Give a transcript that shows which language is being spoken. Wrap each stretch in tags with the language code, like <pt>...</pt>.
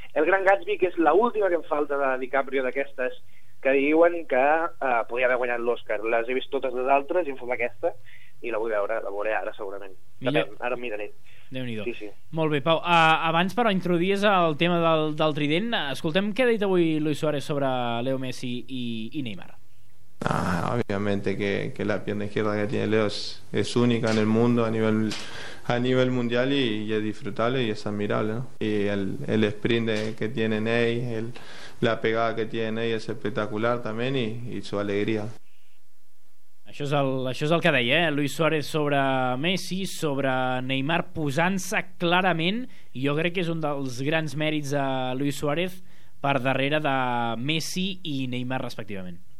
<ca>El Gran Gatsby, que és l'última que em falta de DiCaprio d'aquestes, que diuen que podria haver guanyat l'Oscar. Les he vist totes les altres, i em fa aquesta, i la vull veure ara segurament. Ara miraré. Déu-n'hi-do. Sí. Molt bé, Pau. Abans, però, introduïs el tema del Trident. Escoltem què ha dit avui Luis Suárez sobre Leo Messi i Neymar.</ca> <es>Ah, obviamente que la pierna izquierda que tiene Leo es única en el mundo a nivel mundial y es disfrutable y es admirable, ¿no? Y el sprint que tiene Ney, la pegada que tiene Ney es espectacular también y su alegría.</es> <ca>Això és el que deia, Luis Suárez sobre Messi, sobre Neymar, posant-se clarament, jo crec que és un dels grans mèrits de Luis Suárez per darrere de Messi i Neymar respectivament.</ca>